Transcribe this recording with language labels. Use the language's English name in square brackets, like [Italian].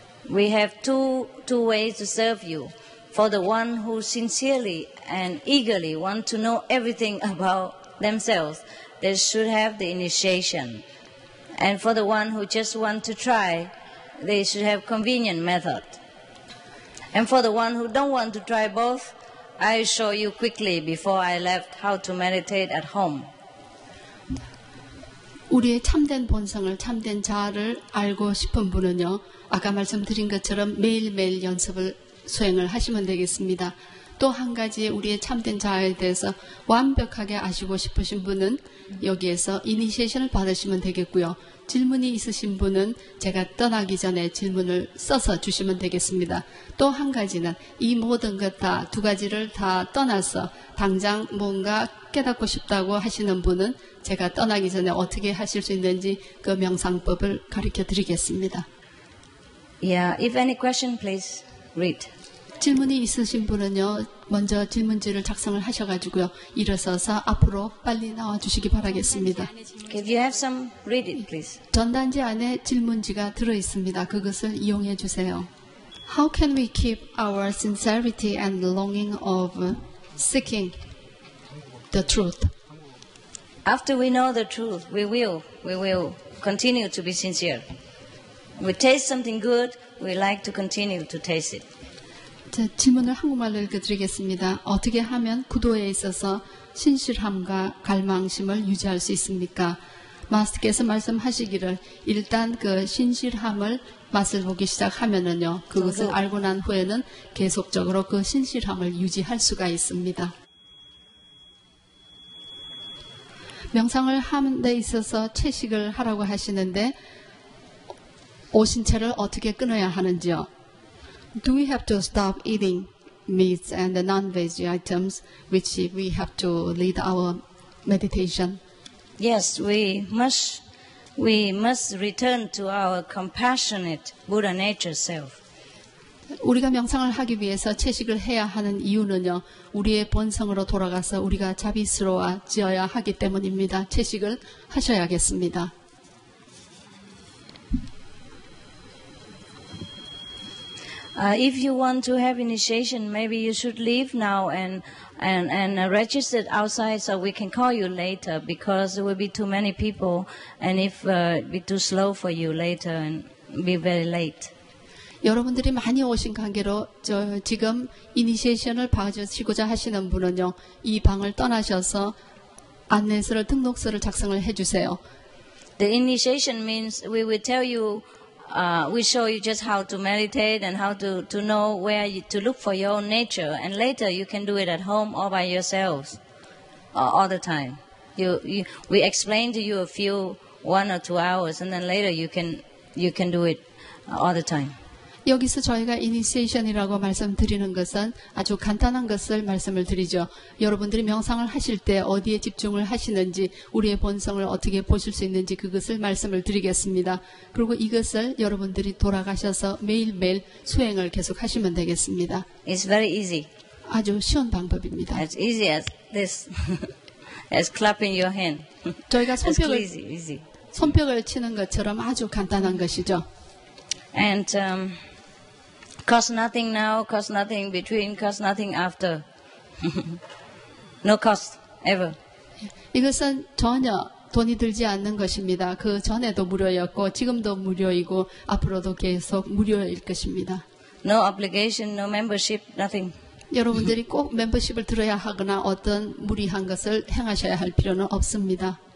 [English] We have two ways to serve you. For the one who sincerely and eagerly want to know everything about themselves, they should have the initiation. And for the one who just want to try, they should have convenient method. And for the one who don't want to try both, I show you quickly before I left how to meditate at home. [Korean] 우리의 참된 본성을 참된 자아를 알고 싶은 분은요, 아까 말씀드린 것처럼 매일매일 연습을 수행을 하시면 되겠습니다. 또 한 가지 우리의 참된 자아에 대해서 완벽하게 아시고 싶으신 분은 여기에서 이니시에이션을 받으시면 되겠고요. 질문이 있으신 분은 제가 떠나기 전에 질문을 써서 주시면 되겠습니다. 또 한 가지는 이 모든 것 다 두 가지를 다 떠나서 당장 뭔가 깨닫고 싶다고 하시는 분은 제가 떠나기 전에 어떻게 하실 수 있는지 그 명상법을 가르쳐 드리겠습니다. [English] Yeah, if any question, please read. [Korean] 질문이 있으신 분은요, 먼저 질문지를 작성을 하셔가지고요, 일어서서 앞으로 빨리 나와 주시기 바라겠습니다. [English] If you have some, read it, please. [Korean] 전단지 안에 질문지가 들어 있습니다. 그것을 이용해 주세요. [English] How can we keep our sincerity and longing of seeking the truth? After we know the truth, we will continue to be sincere. We taste something good, we like to continue to taste it. [Korean] 자, 질문을 한국말로 읽어드리겠습니다. 어떻게 하면 구도에 있어서 신실함과 갈망심을 유지할 수 있습니까? 마스터께서 말씀하시기를 일단 그 신실함을 맛을 보기 시작하면은요, 그것을 알고 난 후에는 계속적으로 그 신실함을 유지할 수가 있습니다. 명상을 하는 데 있어서 채식을 하라고 하시는데 오신체를 어떻게 끊어야 하는지요? [English] Do we have to stop eating meats and non-veggie items which we have to lead our meditation? Yes, we must return to our compassionate Buddha nature self. [Korean] 우리가 명상을 하기 위해서 채식을 해야 하는 이유는요, 우리의 본성으로 돌아가서 우리가 자비스러워지어야 하기 때문입니다. 채식을 하셔야겠습니다. [English] If you want to have initiation, maybe you should leave now and register outside so we can call you later because there will be too many people and if it be too slow for you later and be very late. [Korean] 여러분들이 많이 오신 관계로 지금 이니시에이션을 받으시고자 하시는 분은요, 이 방을 떠나셔서 안내서를 등록서를 작성을 해주세요. [English] The initiation means we will tell you, we show you just how to meditate and how to know where you, to look for your own nature, and later you can do it at home or by yourselves, all the time. We explain to you a few one or two hours, and then later you can do it all the time. [Korean] 여기서 저희가 이니시에이션이라고 말씀드리는 것은 아주 간단한 것을 말씀을 드리죠. 여러분들이 명상을 하실 때 어디에 집중을 하시는지 우리의 본성을 어떻게 보실 수 있는지 그것을 말씀을 드리겠습니다. 그리고 이것을 여러분들이 돌아가셔서 매일매일 수행을 계속하시면 되겠습니다. [English] It's very easy. [Korean] 아주 쉬운 방법입니다. [English] As easy as this. As clapping your hand. [Korean] 저희가 손뼉을 치는 것처럼 아주 간단한 것이죠. [English] And cost nothing now, cost nothing between, cost nothing after. No cost ever. [Korean] 이것은 전혀 돈이 들지 않는 것입니다. 그 전에도 무료였고 지금도 무료이고 앞으로도 계속 무료일 것입니다. [English] No obligation, no membership, nothing. [Korean] 여러분들이 꼭 멤버십을 들어야 하거나 어떤 무리한 것을 행하셔야 할 필요는 없습니다.